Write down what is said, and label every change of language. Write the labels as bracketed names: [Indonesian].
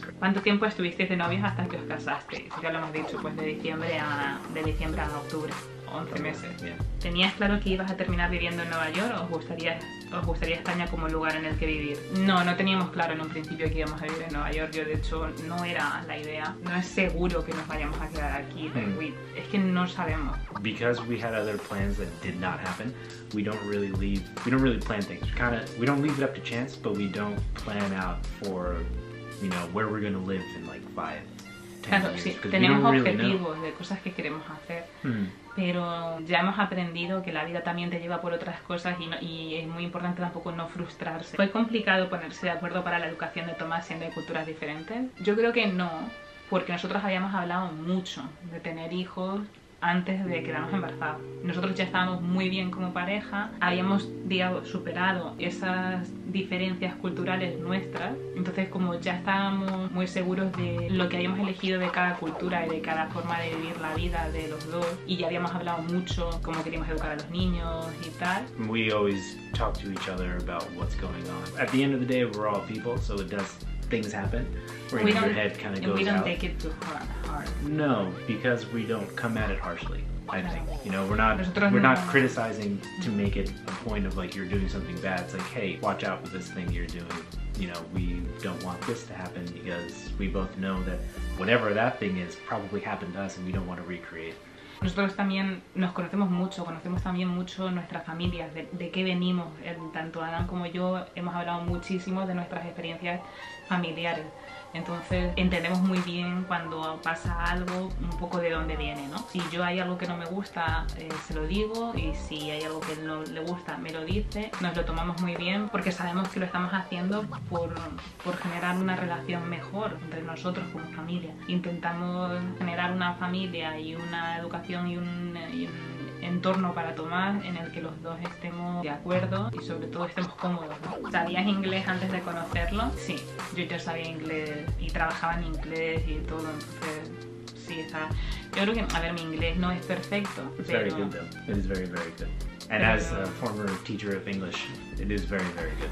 [Spanish] ¿Cuánto tiempo estuvisteis de novios hasta que os casasteis? Ya lo hemos dicho, pues de diciembre a octubre, 11 meses. ¿Tenías claro que ibas a terminar viviendo en Nueva York o os gustaría España como lugar en el que vivir? No teníamos claro en un principio que íbamos a vivir en Nueva York. Yo, de hecho, no era la idea. No es seguro que nos vayamos a quedar aquí. Es que no sabemos. [English] Because we had other plans that did not happen, we don't really plan things. We don't leave it up to chance, but we don't plan out for, you know, where we're going to live in like 5, 10 years. [Spanish] Claro, sí, tenemos objetivos de cosas que queremos hacer. Pero ya hemos aprendido que la vida también te lleva por otras cosas y es muy importante tampoco no frustrarse. ¿Fue complicado ponerse de acuerdo para la educación de Tomás siendo de culturas diferentes? Yo creo que no, porque nosotros habíamos hablado mucho de tener hijos antes de quedarnos embarazados. Nosotros ya estábamos muy bien como pareja, habíamos, digamos, superado esas diferencias culturales nuestras, entonces como ya estábamos muy seguros de lo que habíamos elegido de cada cultura y de cada forma de vivir la vida de los dos, y ya habíamos hablado mucho cómo queríamos educar a los niños y tal. [English] We always talk to each other about what's going on. At the end of the day, we're all people, so it does things happen, where we your head kind of goes out. We don't take it too hard. No, because we don't come at it harshly, I think. You know, we're not criticizing to make it a point of like, you're doing something bad. It's like, hey, watch out with this thing you're doing. You know, we don't want this to happen because we both know that whatever that thing is probably happened to us and we don't want to recreate. [Spanish] Nosotros también nos conocemos también mucho nuestras familias, de qué venimos. Tanto Adán como yo hemos hablado muchísimo de nuestras experiencias familiares. Entonces entendemos muy bien cuando pasa algo, un poco de dónde viene, ¿no? Si yo hay algo que no me gusta, se lo digo, y si hay algo que no le gusta, me lo dice. Nos lo tomamos muy bien porque sabemos que lo estamos haciendo por generar una relación mejor entre nosotros como familia. Intentamos generar una familia y una educación y un entorno para Tomás en el que los dos estemos de acuerdo y sobre todo estemos cómodos, ¿no? ¿Sabías inglés antes de conocerlo? Sí, yo sabía inglés y trabajaba en inglés y todo, entonces sí, estaba. Yo creo que, a ver, mi inglés no es perfecto. [English] It's very good though. As a former teacher of English, it is very, very good.